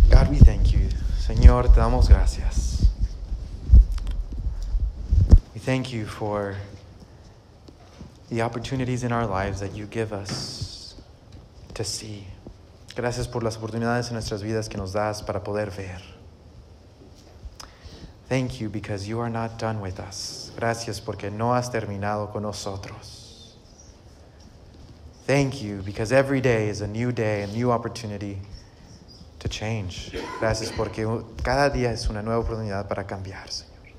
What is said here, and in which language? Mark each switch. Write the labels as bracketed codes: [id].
[en] We thank you. [es] Señor, te damos gracias. [en] We thank you for the opportunities in our lives that you give us to see. [es] Gracias por las oportunidades en nuestras vidas que nos das para poder ver. [en] Thank you because you are not done with us. [es] Gracias porque no has terminado con nosotros. [en] Thank you because every day is a new day, a new opportunity to change. [es] Gracias porque cada día es una nueva oportunidad para cambiar, Señor.